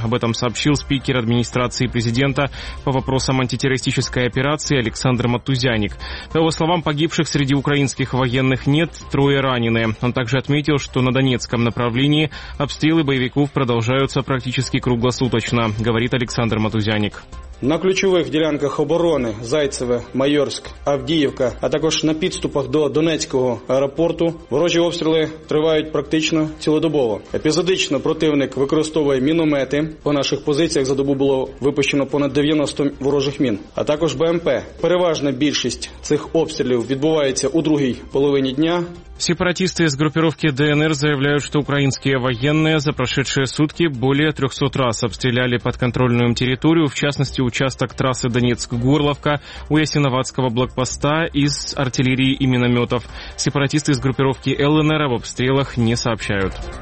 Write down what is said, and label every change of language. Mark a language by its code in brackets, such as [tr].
[ru] Об этом сообщил спикер администрации президента по вопросам антитеррористической операции Александр Матузяник. По его словам, погибших среди украинских военных нет, трое ранены. Он также отметил, что на Донецком направлении обстрелы боевиков продолжаются практически круглосуточно, говорит Александр Матузяник. [uk] На ключових ділянках оборони – Зайцеве, Майорськ, Авдіївка, а також на підступах до Донецького аеропорту ворожі обстріли тривають практично цілодобово. Епізодично противник використовує міномети. По наших позиціях за добу було випущено понад 90 ворожих мін, а також БМП. Переважна більшість цих обстрілів відбувається у другій половині дня. [ru] Сепаратисты из группировки ДНР заявляют, что украинские военные за прошедшие сутки более 300 раз обстреляли подконтрольную им территорию, в частности участок трассы Донецк-Горловка у Ясиноватского блокпоста из артиллерии и минометов. Сепаратисты из группировки ЛНР об обстрелах не сообщают.